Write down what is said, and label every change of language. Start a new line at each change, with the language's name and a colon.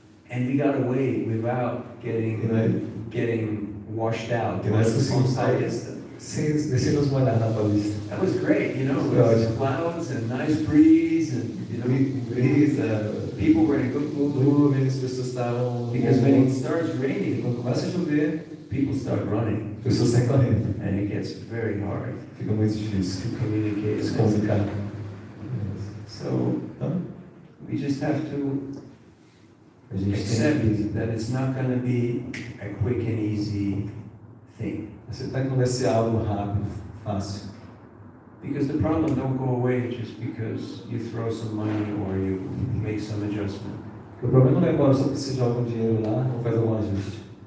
English: And we got away without getting washed out.
Portuguese: Que nós conseguimos descer os molhados na Paulista.
English: That was great, you know? With clouds and nice breeze and, you know,
Portuguese: brisa.
English: People were in good mood.
Portuguese: As pessoas estavam.
English: Because when it starts raining,
Portuguese: quando começa a chover,
English: people start running.
Portuguese: Pessoas saem correndo.
English: And it gets very hard.
Portuguese: Fica muito difícil to
English: communicate.
Portuguese: Se comunicar. Yes.
English: So, we just have to accept that it's not going to be a quick and easy thing.
Portuguese: Aceitar que não vai ser algo rápido, fácil.
English: Because the problem don't go away just because you throw some money or you make some adjustment.
Portuguese: O problema não vai embora só porque você joga um dinheiro lá ou faz algum ajuste.